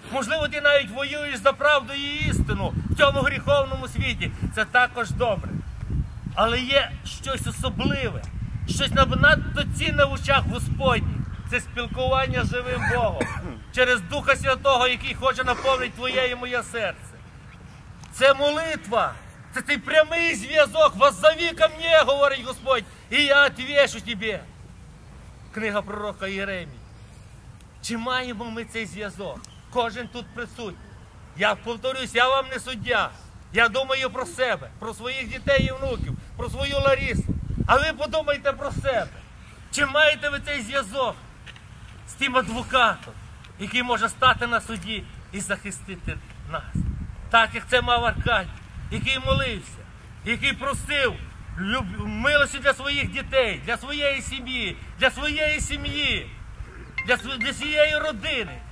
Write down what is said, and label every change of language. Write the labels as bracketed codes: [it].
[uk] Можливо, ти навіть воюєш за правду і істину в цьому гріховному світі. Це також добре. Але є щось особливе, щось надто цінне в очах Господні. Це спілкування з живим Богом через Духа Святого, який хоче наповнити твоє і моє серце. Це молитва. Це цей прямий зв'язок. [ru] Воззови ко мне, говорить Господь, і я отвечу тебе. [uk] Книга пророка Єремії. Чи маємо ми цей зв'язок? Кожен тут присутній. Я повторюсь, я вам не суддя. Я думаю про себе, про своїх дітей і внуків, про свою Ларісу. А ви подумайте про себе. Чи маєте ви цей зв'язок з тим адвокатом, який може стати на суді і захистити нас? Так, як це мав Аркадій, який молився, який просив милості для своїх дітей, для своєї сім'ї, для своєї сім'ї, для своєї родини.